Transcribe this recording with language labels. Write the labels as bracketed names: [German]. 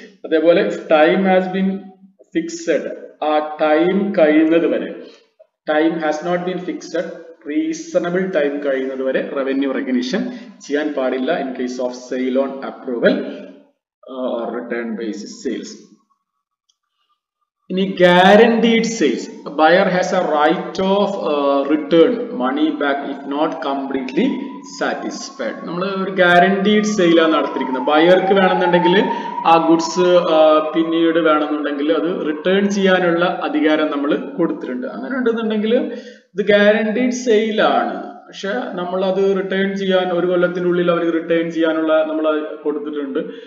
[Malayalam] അതേപോലെ [English] time has been fixed, [Malayalam] ആ time കഴിയുന്നത് വരെ, [English] time has not been fixed, [Malayalam] reasonable time കഴിയുന്നത് വരെ റവന്യൂ റെക്കഗ്നിഷൻ ചെയ്യാൻ പാടില്ല [English] In case of sale on approval or return basis sales. ഇനി guaranteed sales, buyer has a right of return money back if not completely satisfied. [Malayalam] നമ്മൾ ഒരു guaranteed sale ആണ് നടത്തിയിരിക്കുന്നത്. ബയർക്ക് വേണമെന്നുണ്ടെങ്കിൽ ആ ഗുഡ്സ് പിന്നീട് വേണമെന്നുണ്ടെങ്കിൽ അത് റിട്ടേൺ ചെയ്യാനുള്ള അധികാരം നമ്മൾ കൊടുത്തിട്ടുണ്ട്. അങ്ങനെ ഉണ്ടെന്നുണ്ടെങ്കിൽ ഇത് guaranteed sale ആണ്. പക്ഷെ നമ്മൾ അത് റിട്ടേൺ ചെയ്യാൻ ഒരു കൊല്ലത്തിനുള്ളിൽ അവർക്ക് റിട്ടേൺ ചെയ്യാനുള്ള നമ്മൾ കൊടുത്തിട്ടുണ്ട്.